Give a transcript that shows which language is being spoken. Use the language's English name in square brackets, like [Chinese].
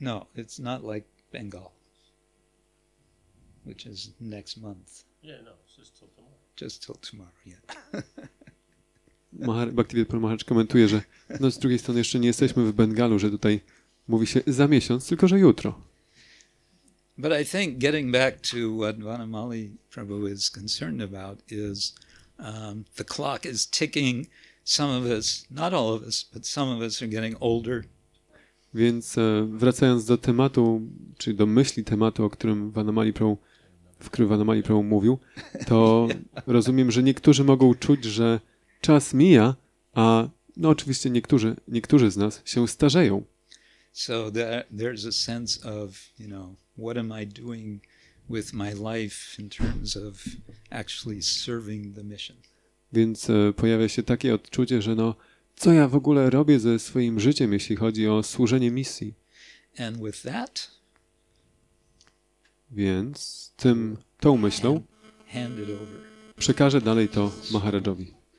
[English] No, it's not like Bengal, which is next month. Yeah, no, it's just till tomorrow. Just till tomorrow, yeah. [Polish] Bhaktivedanta Prabhu komentuje, że no z drugiej strony jeszcze nie jesteśmy w Bengalu, że tutaj mówi się za miesiąc, tylko że jutro. [English] But I think getting back to what Vanamali Prabhu is concerned about is the clock is ticking. Some of us, not all of us, but some of us are getting older. [Polish] Więc wracając do tematu, czyli do myśli tematu, o którym Vanamali Prabhu mówił, to rozumiem, że niektórzy mogą czuć, że czas mija, a no oczywiście niektórzy z nas się starzeją. [English] So there's a sense of, you know, what am I doing with my life in terms of actually serving the mission. [Polish] Więc pojawia się takie odczucie, że no co ja w ogóle robię ze swoim życiem, jeśli chodzi o służenie misji. [English] And with that, [Polish] więc tym, tą myślą przekażę dalej to Maharajowi.